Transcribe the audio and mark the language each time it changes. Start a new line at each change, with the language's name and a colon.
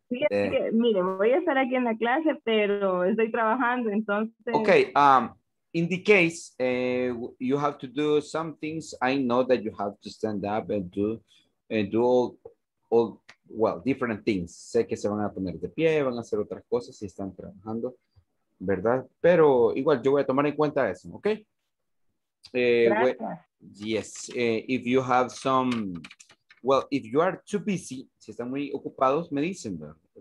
Spanish: Mire, voy a estar aquí en la clase, pero estoy trabajando, entonces.
English: Okay. In the case you have to do some things, I know that you have to stand up and do all well different things.
Spanish: Sé que se van a poner de pie, van a hacer otras cosas si están trabajando, ¿verdad? Pero igual yo voy a tomar en cuenta eso, ¿okay?
English: Yes, if you have some, well, if you are too busy,
Spanish: si están muy ocupados, me dicen, ¿verdad?